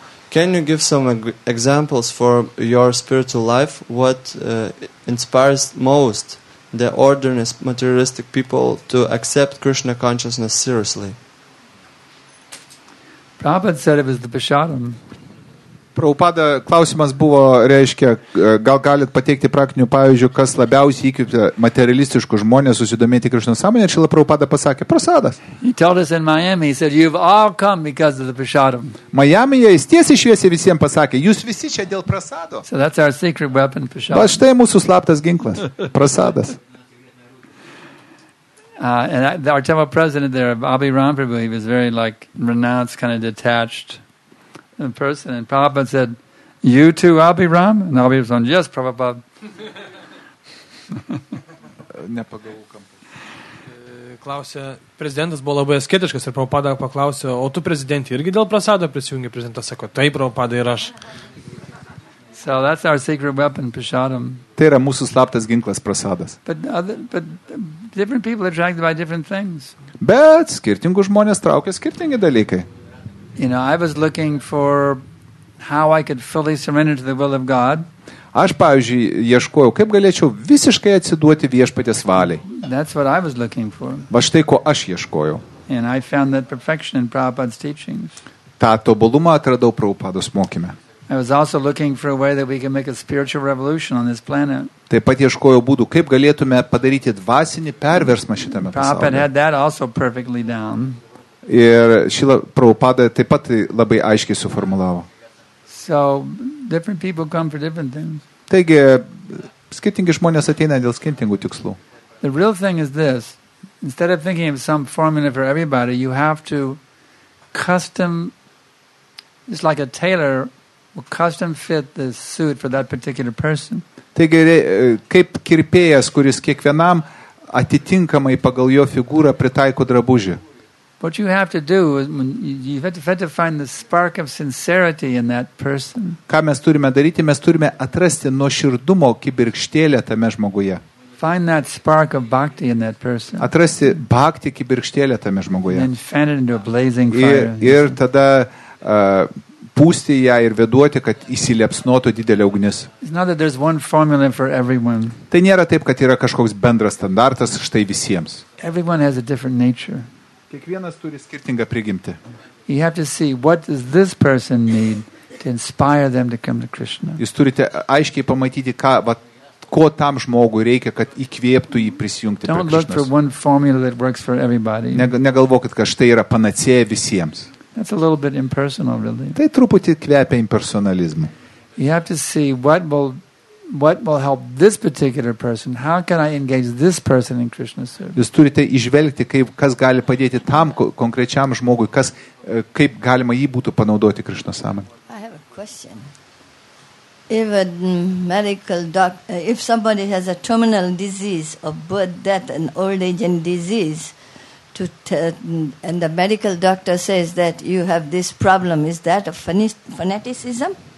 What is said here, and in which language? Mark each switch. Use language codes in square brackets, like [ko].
[en] Can you give some examples for your spiritual life? What inspires most the ordinary materialistic people to accept Krishna consciousness seriously? Prabhupada said it was the Pashadam. [lt] Prabhupada, klausimas buvo, reiškia, gal galit pateikti praktinių pavyzdžių, kas labiausiai įkvėpė materialistiškų žmonės susidomėti Krishna sąmonė, ir šila Prabhupada pasakė, prasadas. [en] He told us in Miami, he said, you've all come because of the prasadam. [lt] Miami'e jis tiesiai šviesiai visiems pasakė, jūs visi čia dėl prasado. [en] So that's our secret weapon, prasadam. [lt] Va štai mūsų slaptas ginklas, prasadas. [en] And our temple president there, Abhi Ram Prabhu, he was very like renounced, kind of detached. In person, and Prabhupada said, "You too, Abhiram?" And Abhiram said, "Yes, Prabhupada." [lt] Klausė, prezidentas buvo labai asketiškas, ir Prabhupada paklausė, "O tu prezidentė irgi dėl prasado prisijungė?" Prezidentas sako, "Taip, Prabhupada ir aš." [en] So that's our secret weapon, prasadam. [lt] Tai yra mūsų slaptas ginklas, prasadas. [en] But different people are attracted by different things. [lt] Bet skirtingų žmonės traukia skirtingi dalykai. [en] You know, I was looking for how I could fully surrender to the will of God. [lt] Aš, pavyzdžiui, ieškojau, kaip galėčiau visiškai atsiduoti Viešpaties valiai. [en] That's what I was looking for. [lt] Va štai, ko aš ieškojau. [en] And I found that perfection in Prabhupada's teachings. [lt] Tą tobulumą atradau Prabhupados mokyme. [en] I was also looking for a way that we can make a spiritual revolution on this planet. [lt] Taip pat ieškojau būdų, kaip galėtume padaryti dvasinį perversmą šitame pasaulyje. [en] Prabhupada had that also perfectly down. [lt] Ir šila Prabhupada taip pat labai aiškiai suformulavo. [en] So, different people come for different things. [lt] Taigi, skirtingi žmonės ateina dėl skirtingų tikslų. [en] The real thing is this. Instead of thinking of some formula for everybody, you have to custom, it's like a tailor will custom fit the suit for that particular person. [lt] Taigi, kaip kirpėjas, kuris kiekvienam atitinkamai pagal jo figūrą pritaiko drabužį. [en] What you have to do is you have to find the spark of sincerity in that person. [lt] Ką mes turime daryti? Mes turime atrasti nuoširdumo kibirkštėlę tame žmoguje. [en] Find that spark of bhakti in that person. [lt] Atrasti bhakti kibirkštėlę tame žmoguje. [en] And fan it into a blazing fire. [lt] Ir tada pūsti ją ir veduoti, kad įsiliepsnotų didelė ugnis. [en] It's not that there's one formula for everyone. [lt] Tai nėra taip, kad yra kažkoks bendras standartas štai visiems. [en] Everyone has a different nature. [lt] Kiekvienas turi skirtingą prigimtį. [en] You have to see what does this person need to inspire them to come to Krishna. [lt] Jūs turite aiškiai pamatyti, ką, vat, ko tam žmogui reikia, kad įkvėptų jį prisijungti prie Krishnos. [en] Don't look for one formula that works for everybody. [lt] Negalvokit, kad štai yra panacėja visiems. [en] That's a little bit impersonal, really. [lt] Tai truputį kvepia impersonalizmu. [en] You have to see what will help this particular person? How can I engage this person in Krishna service? [lt] Jūs turite išvelgti, kaip, kas gali padėti tam konkrečiam žmogui, kas, kaip galima jį būtų panaudoti Krishna sąmonė. [en] I have a question. If a medical doctor, if somebody has a terminal disease of birth, death, an old age and disease, and the medical doctor says that you have this problem, is that a fanaticism?